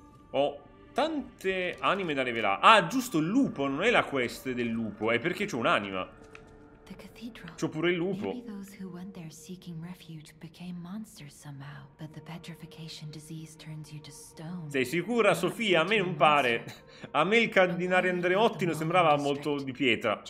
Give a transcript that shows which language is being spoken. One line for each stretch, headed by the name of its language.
Italian: Ho tante anime da rivelare. Ah, giusto, il lupo non è la quest del lupo, è perché c'ho un'anima. C'ho pure il lupo.
English: Maybe those who went there seeking refuge became monsters somehow, but the petrification disease turns you to stone.
Italian: Sei sicura, Sofia? A me non pare. A me il cardinale Andreotti non sembrava molto di pietra.